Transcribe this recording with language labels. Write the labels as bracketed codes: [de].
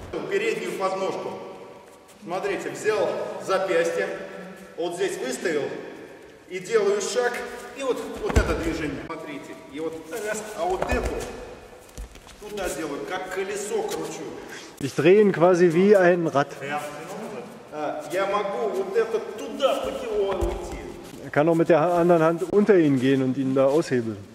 [ru] Переднюю подножку. Смотрите, взял запястье. Вот здесь выставил. И делаю шаг. И вот, вот это движение. Смотрите. И вот раз. А вот эту туда делаю, как колесо кручу. [de] Ich drehe ihn quasi wie ein Rad. [ru] Я могу вот это туда под него уйти. [de] Er kann auch mit der anderen Hand unter ihn gehen und ihn da aushebeln.